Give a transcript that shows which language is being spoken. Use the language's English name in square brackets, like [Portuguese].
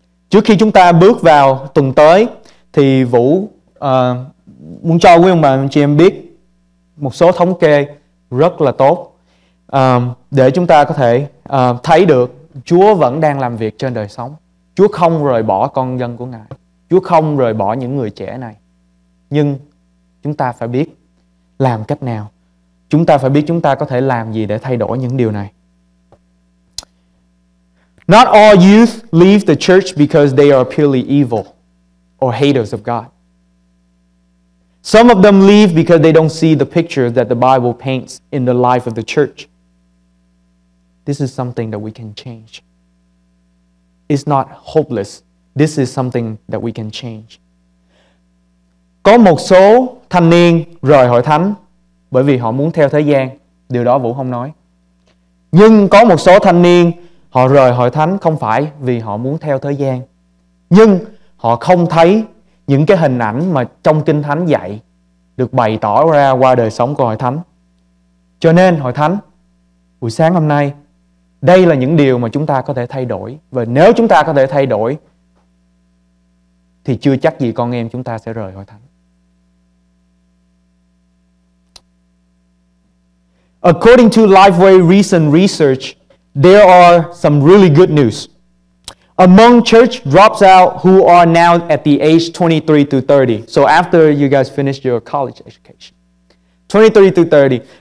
[Vietnamese] Trước khi chúng ta bước vào tuần tới, thì Vũ muốn cho quý ông bà chị em biết một số thống kê rất là tốt để chúng ta có thể thấy được Chúa vẫn đang làm việc trên đời sống. Chúa không rời bỏ con dân của Ngài. Chúa không rời bỏ những người trẻ này. Nhưng chúng ta phải biết làm cách nào. chúng ta phải biết chúng ta có thể làm gì để thay đổi những điều này. [English] Not all youth leave the church because they are purely evil or haters of God. Some of them leave because they don't see the picture that the Bible paints in the life of the church. This is something that we can change. It's not hopeless. This is something that we can change. [Vietnamese] Có một số thanh niên rời hội thánh bởi vì họ muốn theo thế gian. Điều đó Vũ không nói. Nhưng có một số thanh niên họ rời hội thánh không phải vì họ muốn theo thế gian, nhưng họ không thấy những cái hình ảnh mà trong Kinh Thánh dạy được bày tỏ ra qua đời sống của hội thánh. Cho nên hội thánh, buổi sáng hôm nay, đây là những điều mà chúng ta có thể thay đổi. Và nếu chúng ta có thể thay đổi thì chưa chắc gì con em chúng ta sẽ rời hội thánh. [English] According to LifeWay recent research, there are some really good news. Among church drops out who are now at the age 23 to 30. So after you guys finish your college education. 23 to 30.